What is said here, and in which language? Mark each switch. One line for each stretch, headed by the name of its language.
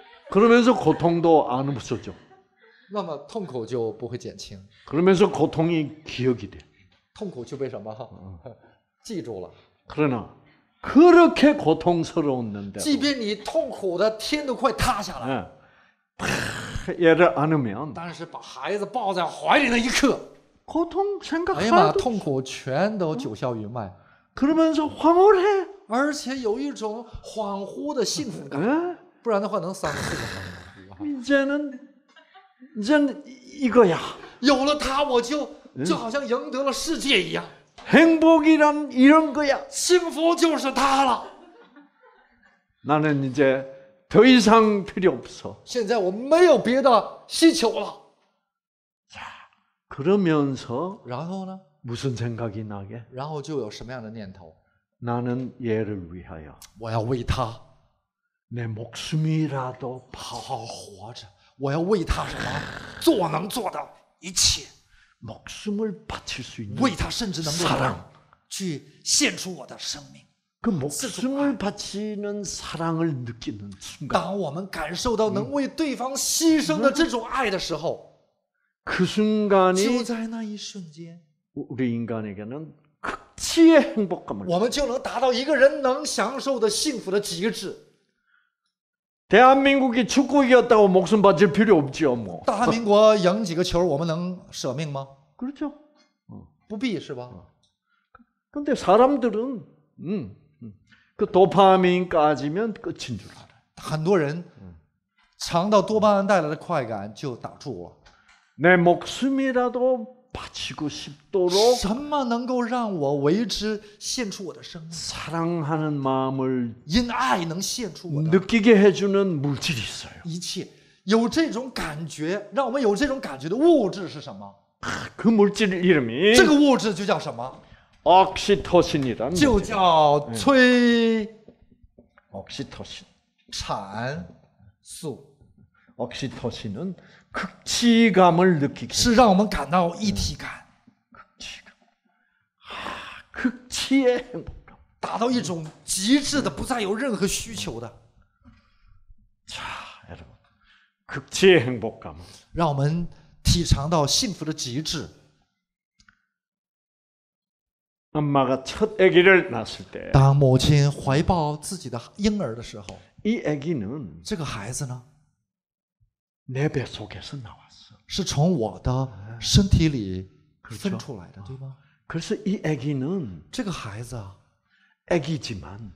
Korean: 그러면서 고통도 안 없어져. 그러면
Chinese: 痛苦就不会减轻.
Korean: 그러면서 고통이 기억이 돼.
Chinese: 痛苦就被什么?记住了.
Korean: 그러나 그렇게 고통스러웠는데도
Chinese: 即便你痛苦的天都快塌下来.
Korean: 얘를 안으면
Chinese: 当时把孩子抱在怀里那一刻
Korean: 고통 생각하도
Chinese: 痛苦全都九霄云外.
Korean: 그러면서 황홀해.
Chinese: 而且有一种恍惚的幸福感. 不然的话能三次吗?
Korean: 이제는 이거야.
Chinese: 有了他我就好像赢得了世界一样.
Korean: 행복이란 이런 거야.
Chinese: 幸福就是他了.
Korean: 나는 이제 더 이상 필요 없어.
Chinese: 现在我没有别的需求了.
Korean: 자, 그러면서
Chinese: 然后呢?
Korean: 무슨 생각이 나게?
Chinese: 然后就有什么样的念头?
Korean: 나는 얘를 위하여
Chinese: 我要为他
Korean: 내 목숨이라도
Chinese: 好好活着我要为他什么做能做的一切
Korean: 목숨을 바칠 수 있는 사랑
Chinese: 去献出我的生命
Korean: 그 목숨을 바치는 사랑을 느끼는 순간
Chinese: 当我们感受到能为对方牺牲的这种爱的时候
Korean: 그 순간이
Chinese: 就在那一瞬间
Korean: 우리 인간에게는 극치의 행복감을
Chinese: 我们就能达到一个人能享受的幸福的极致
Korean: 대한민국이 축구 이겼다고 목숨 바칠 필요 없죠 뭐
Chinese: 大韩民国赢几个球我们能舍命吗
Korean: 그렇죠
Chinese: 不必是吧
Korean: 근데 사람들은 그 도파민 까지면 끝인 줄 알아.
Chinese: 很多人 尝到 도파민 带来的 快感 就打住我
Korean: 내 목숨이라도 바치고 싶도록
Chinese: 什么能够让我为之献出我的生命
Korean: 사랑하는 마음을
Chinese: 因爱能献出我的
Korean: 느끼게 해주는 물질이 있어요.
Chinese: 一切 有这种感觉 让我们有这种感觉的 物质是什么
Korean: 그 물질 이름이
Chinese: 这个物质就叫什么
Korean: 옥시토신이란
Chinese: 就叫催
Korean: 옥시토신
Chinese: 产素
Korean: 옥시토신은 극치감을 느끼게
Chinese: 是让我们感到一体感
Korean: 극치감 극치의 행복감
Chinese: 达到一种极致的不再有任何需求的
Korean: 자 여러분 극치의 행복감
Chinese: 让我们 体尝到幸福的极致
Korean: 엄마가 첫 아기를 낳았을 때
Chinese: 当母亲怀抱自己的婴儿的时候
Korean: 이 아기는
Chinese: 这个孩子呢
Korean: 내 뱃속에서 나왔어
Chinese: 是从我的身体里分出来的对吗
Korean: 그래서 이 아기는
Chinese: 这个孩子
Korean: 아기지만